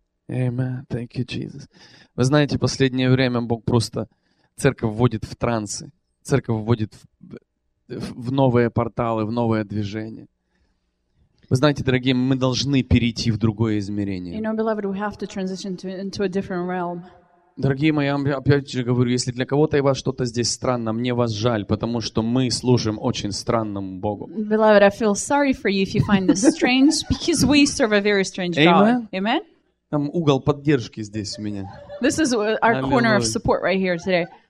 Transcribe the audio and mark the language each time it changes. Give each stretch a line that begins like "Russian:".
English: Amen. Thank you, Jesus.
Russian: Вы знаете, последнее время Бог просто... Церковь вводит в трансы. Церковь вводит в новые порталы, в новое движение. Вы знаете, дорогие, мы должны перейти в другое измерение.
English: You know, beloved, we have to transition into a different realm.
Russian: Дорогие мои, я вам опять же говорю, если для кого-то и вас что-то здесь странно, мне вас жаль, потому что мы служим очень странному Богу.
English: Beloved, I feel sorry for you if you find this strange, because we serve a very strange God. Amen. Amen.
Russian: Там угол поддержки здесь у меня.
English: This is our corner of support right here today.